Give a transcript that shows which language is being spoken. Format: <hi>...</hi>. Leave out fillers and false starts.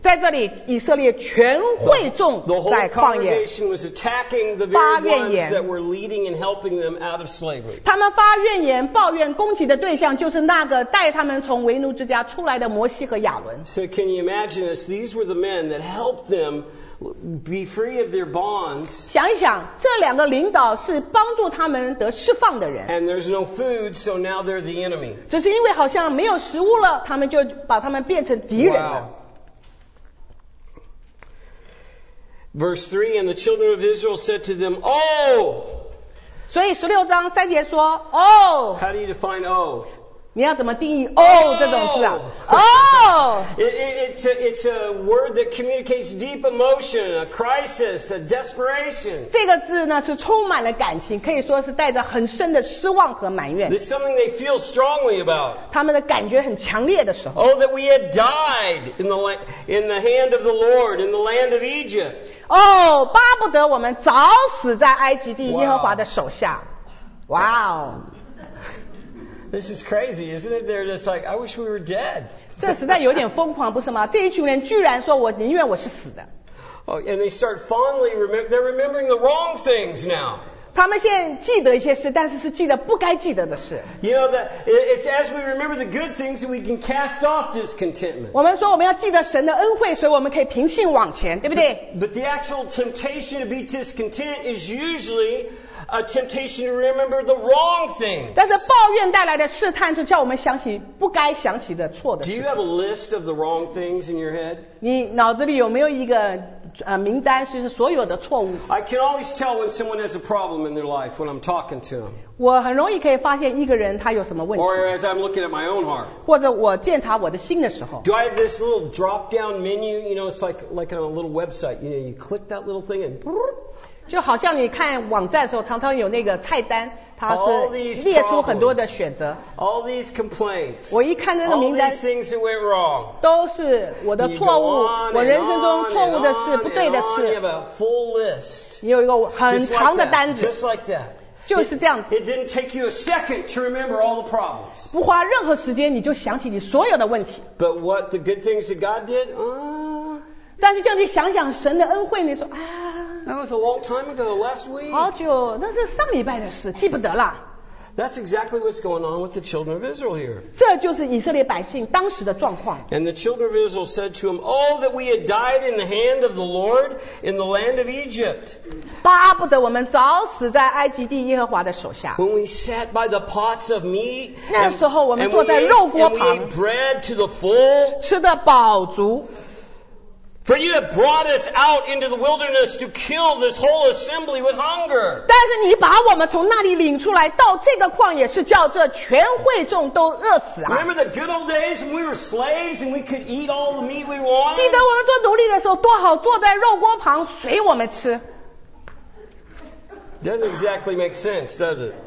<zh>在这里，以色列全会众在旷野。</zh> <en>The whole congregation was attacking the very ones that were leading and helping them out of slavery.</en> <zh>他们发怨言，抱怨攻击的对象就是那个带他们从为奴之家出来的摩西和亚伦。</zh> <en>So can you imagine this? These were the men that helped them be free of their bonds.</en> <zh>想一想，这两个领导是帮助他们得释放的人。</zh> <en>And there's no food, so now they're the enemy.</en> <zh>只是因为好像没有食物了，他们就把他们变成敌人了。</zh> <en>Wow. Verse 3, and the children of Israel said to them, Oh!</en> <zh>所以十六章三节说</zh> <en>Oh! How do you define Oh?</en> <zh>你要怎么定义 Oh! 这种字啊</zh> <en>It's a word that communicates deep emotion, a crisis, a desperation.</en> <zh>这个字呢是充满了感情，可以说是带着很深的失望和埋怨。</zh> <en>It's something they feel strongly about.</en> <zh>他们的感觉很强烈的时候。</zh> <en>Oh, that we had died in the hand of the Lord, in the land of Egypt.</en> <zh>Oh, 巴不得我们早死在埃及地耶和华的手下。</zh> <en>Wow. This is crazy, isn't it? They're just like, I wish we were dead.</en> <zh>这实在有点疯狂，不是吗？这一群人居然说我宁愿我是死的。</zh> <en>Oh, and they start fondly they're remembering the wrong things now.</en> <zh>他们现在记得一些事，但是是记得不该记得的事。</zh> <en>You know, it's as we remember the good things that we can cast off discontentment.</en> <zh>我们说我们要记得神的恩惠，所以我们可以平信往前，对不对？</zh> <en>But the actual temptation to be discontent is usually... A temptation to remember the wrong things.</en> <zh>但是抱怨带来的试探就叫我们想起不该想起的错的事情。</zh> <en>Do you have a list of the wrong things in your head?</en> <zh>你脑子里有没有一个名单，就是所有的错误？</zh> <en>I can always tell when someone has a problem in their life when I'm talking to them.</en> <zh>我很容易可以发现一个人他有什么问题。</zh> <en>Or as I'm looking at my own heart.</en> <zh>或者我检查我的心的时候。</zh> <en>Do I have this little drop-down menu? You know, it's like on a little website. You know, you click that little thing and...</en> <zh>就好像你看网站的时候常常有那个菜单，它是列出很多的选择。</zh> <en>All these complaints,</en> <zh>我一看那个名单</zh> <en>all these things that went wrong,</en> <zh>都是我的错误，我人生中错误的事，不对的事。</zh> <en>You have a full list,</en> <zh>你有一个很长的单子。</zh> <en>Just like that.</en> <zh>就是这样子。</zh> <en>It didn't take you a second to remember all the problems.</en> <zh>不花任何时间你就想起你所有的问题。</zh> <en>But what the good things that God did,</en> <zh>但是叫你想想神的恩惠，你说啊。</zh> <en>That was a long time ago, last week.</en> <zh>好久，那是上礼拜的事，记不得了。</zh> <en>That's exactly what's going on with the children of Israel here.</en> <zh>这就是以色列百姓当时的状况。</zh> <en>And the children of Israel said to him, Oh, that we had died in the hand of the Lord in the land of Egypt.</en> <zh>巴不得我们早死在埃及地耶和华的手下。</zh> <en>When we sat by the pots of meat,</en> <zh>那时候我们坐在肉锅旁。</zh> <en>And we ate bread to the full,</en> <zh>吃得饱足。</zh> <en>For you have brought us out into the wilderness to kill this whole assembly with hunger.</en> <zh>但是你把我们从那里领出来到这个旷野是叫这全会众都饿死啊。</zh> <en>Remember the good old days when we were slaves and we could eat all the meat we wanted?</en> <zh>记得我们做奴隶的时候多好坐在肉锅旁随我们吃。</zh> <en>Doesn't exactly make sense, does it?</en>